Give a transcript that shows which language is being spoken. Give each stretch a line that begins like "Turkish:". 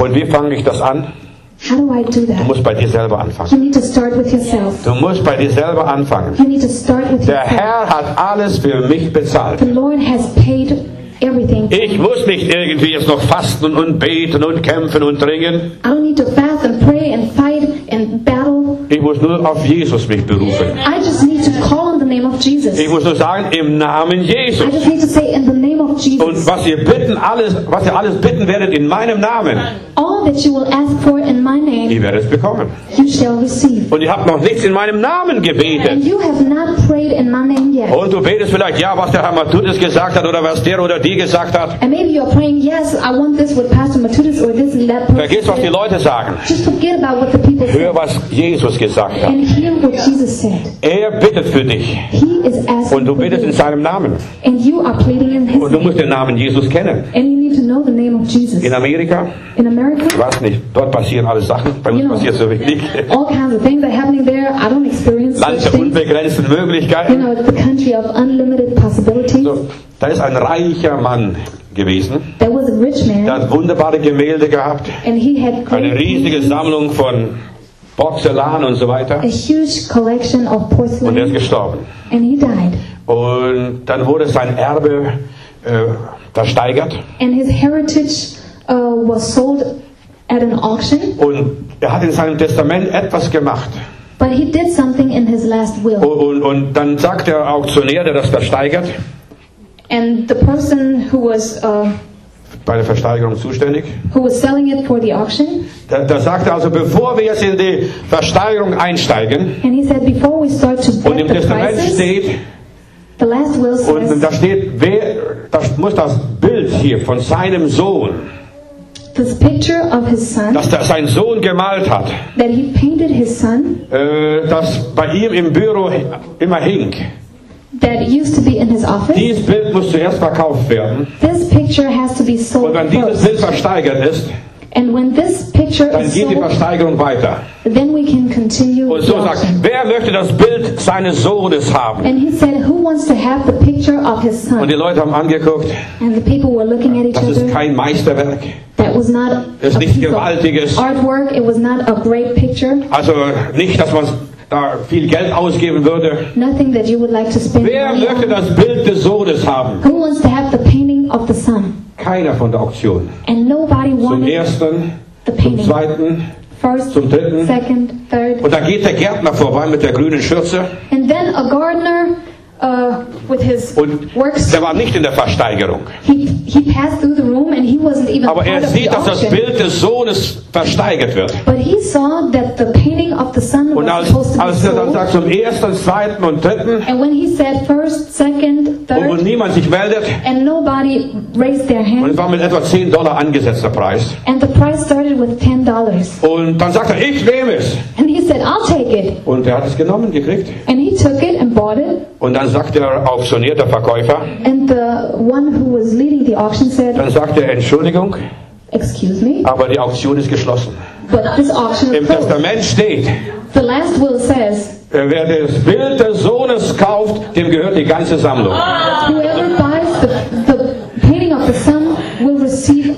German: Und wie fange ich das an?
English: How do I do that?
German: Du musst bei dir selber anfangen.
English: You need to start with yourself.
German: Du musst bei dir selber anfangen.
English: You need to start with
German: Der
English: yourself.
German: Herr hat alles für mich bezahlt.
English: The Lord has paid everything.
German: Ich muss nicht irgendwie jetzt noch fasten und beten und kämpfen und ringen.
English: I don't need to fast and pray and fight and battle.
German: Ich muss nur auf Jesus mich berufen.
English: I just need to call on the name of Jesus.
German: Ich muss nur sagen, im Namen Jesus.
English: I just need to say in the name of Jesus.
German: Und was ihr alles bitten werdet in meinem Namen.
English: All that you will ask for in my name.
German: Ihr werdet es bekommen.
English: You shall receive.
German: Und ihr habt noch nichts in meinem Namen gebetet.
English: And you have not prayed in my name yet.
German: Und du betest vielleicht, ja, was der Herr Matutis gesagt hat oder was der oder die gesagt hat.
English: And maybe you are praying, yes, I want this with Pastor Matutis or this and that person.
German: Vergiss, was die Leute sagen.
English: Just forget about what the people say.
German: Hör, was Jesus gesagt hat.
English: And hear what Jesus said.
German: Er bittet für dich.
English: He is asking
German: und du bittest
English: for
German: in seinem Namen.
English: And you are pleading in his
German: und du musst den Namen Jesus kennen.
English: And you need to know the name of Jesus.
German: In Amerika?
English: In America?
German: Ich weiß nicht. Dort passieren alle Sachen. Bei uns passiert so wenig.
English: All kinds of things are happening there. I don't experience
German: Land
English: such things.
German: Unbegrenzten Möglichkeiten.
English: You know, it's the country of unlimited possibilities.
German: So, da ist ein reicher Mann gewesen.
English: There was a rich man.
German: Der hat wunderbare Gemälde gehabt.
English: And he had great
German: eine riesige
English: paintings.
German: Sammlung von Porzellan und so weiter.
English: A huge collection of porcelain.
German: Und er ist gestorben.
English: And he died.
German: Und dann wurde sein Erbe versteigert.
English: And his heritage was sold at an auction.
German: Und er hat in seinem Testament etwas gemacht.
English: But he did something in his last will.
German: Und dann sagt der Auktionär, der das versteigert.
English: And the person who was
German: bei der Versteigerung zuständig.
English: Who was selling it for the auction?
German: Da sagte also, bevor wir jetzt in die Versteigerung einsteigen.
English: And he said, before we start to
German: und im Testament
English: prices,
German: steht.
English: The last will says,
German: und da steht, wer, das muss das Bild hier von seinem Sohn.
English: This picture of his son.
German: Dass er seinen Sohn gemalt hat.
English: That he painted his son.
German: Das bei ihm im Büro immer hing.
English: That used to be in his office.
German: Dieses Bild muss zuerst verkauft werden.
English: This picture has to be sold.
German: Und wenn dieses Bild versteigert ist,
English: and when this picture
German: dann geht
English: sold,
German: die Versteigerung weiter.
English: Then we can continue.
German: Und so sagt, wer möchte das Bild seines Sohnes haben?
English: And he said, who wants to have the picture of his son?
German: Und die Leute haben angeguckt.
English: And the people were looking at each
German: das
English: other.
German: Das ist kein Meisterwerk.
English: That was not
German: das ist nicht gewaltiges
English: artwork. It was not a great picture.
German: Also nicht, dass man da viel Geld ausgeben würde.
English: Nothing that you would like to spend.
German: Wer möchte das Bild des Sohnes haben?
English: Who wants to have the painting of the son?
German: Keiner von der Auktion.
English: And nobody wanted
German: zum ersten,
English: the painting.
German: Zum zweiten,
English: first,
German: zum dritten.
English: Second, third.
German: Und da geht der Gärtner vorbei mit der grünen Schürze.
English: And then a gardener with his
German: und
English: works.
German: Der war nicht in der Versteigerung.
English: He passed through the room and he wasn't even
German: aber
English: part
German: er sieht,
English: of the
German: dass
English: auction.
German: Das Bild des Sohnes versteigert wird.
English: But he saw that the painting of the son
German: und
English: was
German: als,
English: supposed to
German: als
English: be sold.
German: Er dann sagt, zum ersten, zweiten und dritten.
English: And when he said first, second, third.
German: Und niemand sich meldet.
English: And nobody raised their hand.
German: Und es war mit etwa $10 angesetzter Preis.
English: And the price started with $10.
German: Und dann sagt er, ich nehme es.
English: And he said, I'll take it.
German: Und er hat es genommen, gekriegt.
English: And he took it and bought it.
German: Und dann sagt der auktionierte Verkäufer.
English: And the one who was leading the auction said.
German: Dann sagt er, Entschuldigung.
English: Excuse me.
German: Aber die Auktion ist geschlossen.
English: But this auction
German: im Testament steht,
English: the last will says,
German: wer das Bild des Sohnes kauft, dem gehört die ganze Sammlung.
English: Whoever buys the painting of the Son will receive all.